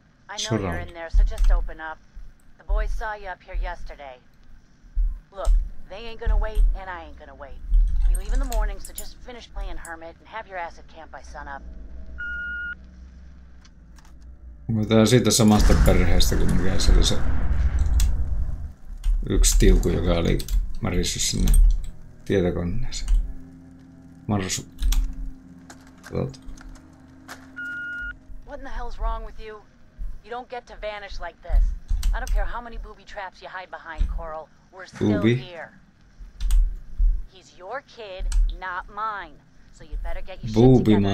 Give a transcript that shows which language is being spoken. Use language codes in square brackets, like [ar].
[en] I know you're in there, so just open up. The boys saw you up here yesterday. Look, they ain't gonna wait, and I ain't gonna wait. We leave in the morning, so just finish playing hermit and have your ass at camp by sunup. [fi] Onko tää siitä samasta perheestä kuin mikä se oli se yksi tiuku, joka oli marissu sinne tietokoneeseen? Marsu. Katsotaan. [en] What in the hell's wrong with you? You don't get to vanish like this. I don't care how many booby traps you hide behind, Coral. We're still booby. Here. He's your kid, not mine. So you better get your booby shit together